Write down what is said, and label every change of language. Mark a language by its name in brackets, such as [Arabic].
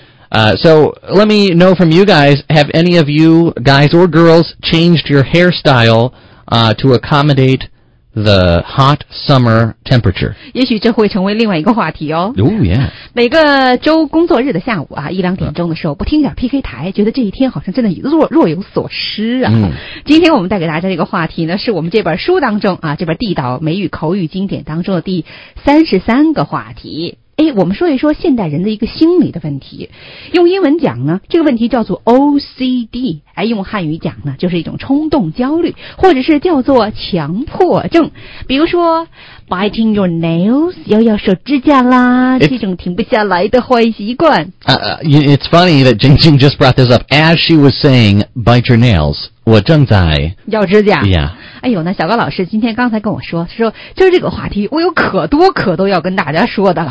[English] So let me know from you guys, have any of you guys or girls changed your hairstyle, to accommodate the hot summer temperature? [Chinese] 也许这会成为另外一个话题哦。 [English] Oh, yeah. [Chinese] 每个周工作日的下午啊，一两点钟的时候，不听点 PK 台，觉得这一天好像真的若有所失啊。今天我们带给大家这个话题呢，是我们这本书当中啊，这本地道美语口语经典当中的第33个话题。哎，我们说一说现代人的一个心理的问题，用英文讲呢，这个问题叫做 OCD， 哎，用汉语讲呢，就是一种冲动焦虑，或者是叫做强迫症。比如说 [English] biting your nails， [Chinese] 咬手指甲啦，这种停不下来的坏习惯。 [English] It's funny that Jing Jing just brought this up as she was saying bite your nails。 [Chinese] 我正在咬指甲。 [English] Yeah. [Chinese] 哎呦，那小高老师今天刚才跟我说，说就这个话题，我有可多可多要跟大家说的了。